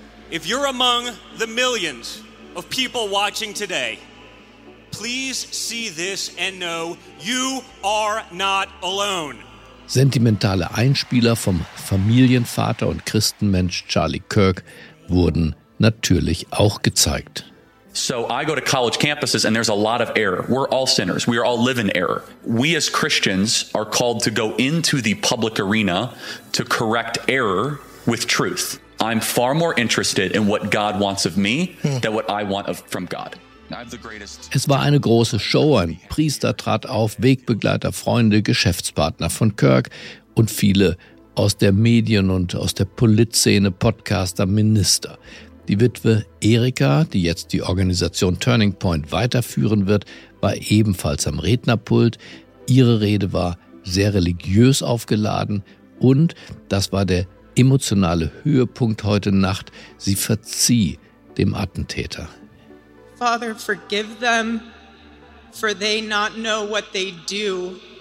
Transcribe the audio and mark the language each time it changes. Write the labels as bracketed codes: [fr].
[en] If you're among the millions of people watching today, please see this and know you are not alone. [de] Sentimentale Einspieler vom Familienvater und Christenmensch Charlie Kirk wurden natürlich auch gezeigt. [en] So I go to college campuses and there's a lot of error. We're all sinners. We are all live in error. We as Christians are called to go into the public arena to correct error with truth. I'm far more interested in what God wants of me than what I want from God. [de] Es war eine große Show, ein Priester trat auf, Wegbegleiter, Freunde, Geschäftspartner von Kirk und viele aus der Medien- und aus der Politszene, Podcaster, Minister. Die Witwe Erika, die jetzt die Organisation Turning Point weiterführen wird, war ebenfalls am Rednerpult. Ihre Rede war sehr religiös aufgeladen und das war der emotionale Höhepunkt heute Nacht. Sie verzieh dem Attentäter. [en] Father, forgive them, for they not know what they do.